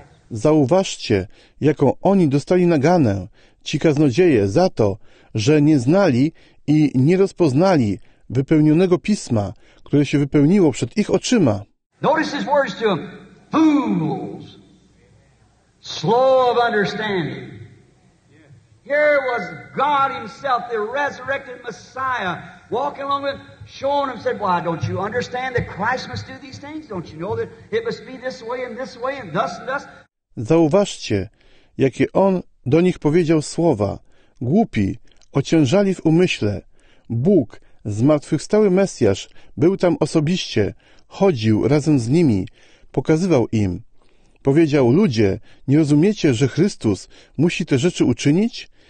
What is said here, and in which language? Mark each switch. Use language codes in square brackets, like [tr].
[pl] Zauważcie, jaką oni dostali naganę, ci kaznodzieje, za to, że nie znali i nie rozpoznali wypełnionego pisma, które się wypełniło przed ich oczyma. [en] Notice his words to them, fools, slow of understanding. Here was God himself, the resurrected Messiah, walking along with showing him, said, why, don't you understand that Christ must do these things? Don't you know that it must be this way and this way and thus and thus? [pl] Zauważcie, jakie On do nich powiedział słowa. Głupi, ociężali w umyśle. Bóg, zmartwychwstały Mesjasz, był tam osobiście, chodził razem z nimi, pokazywał im. Powiedział: ludzie, nie rozumiecie, że Chrystus musi te rzeczy uczynić?